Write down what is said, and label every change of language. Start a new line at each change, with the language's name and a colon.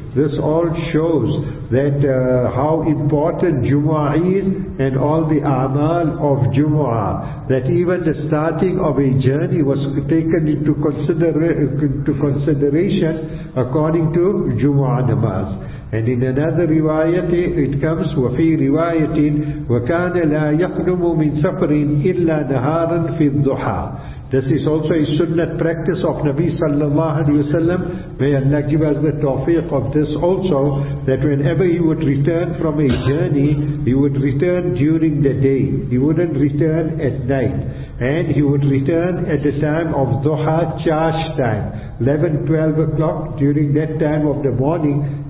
English: This all shows that how important Jumu'ah is and all the amal of Jumu'ah. That even the starting of a journey was taken into consideration according to Jumu'ah namaz. And in another riwayat it comes,
Arabic: وَفِي رِوَايَةٍ وَكَانَ لَا يَقْنُمُ مِنْ سَفْرٍ إِلَّا نَهَارًا فِي الضُّحَى.
English: This is also a sunnat practice of Nabi sallallahu alayhi wa sallam. May Allah give us the tawfiq of this also, that whenever he would return from a journey, he would return during the day. He wouldn't return at night. And he would return at the time of Dhuha, Chash time, 11, 12 o'clock during that time of the morning.